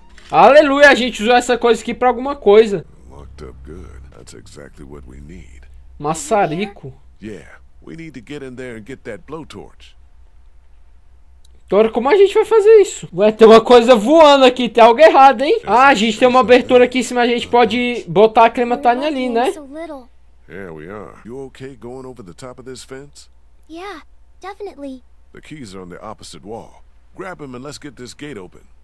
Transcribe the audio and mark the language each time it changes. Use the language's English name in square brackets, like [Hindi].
[Portuguese] Aleluia, a gente usou essa coisa aqui pra alguma coisa. [English] Locked up good. That's exactly what we need. [Portuguese] Maçarico. [English] Yeah, we need to get in there and get that blowtorch. [Portuguese] Doutor, como a gente vai fazer isso? Ué, tem uma coisa voando aqui, tem algo errado, hein? Ah, a gente tem uma abertura aqui em cima, a gente pode botar a crematária ali, né? [English] Yeah, we are. You okay going over the top of this fence? Yeah, definitely. The keys are on the opposite wall. Grab them and let's get this gate open.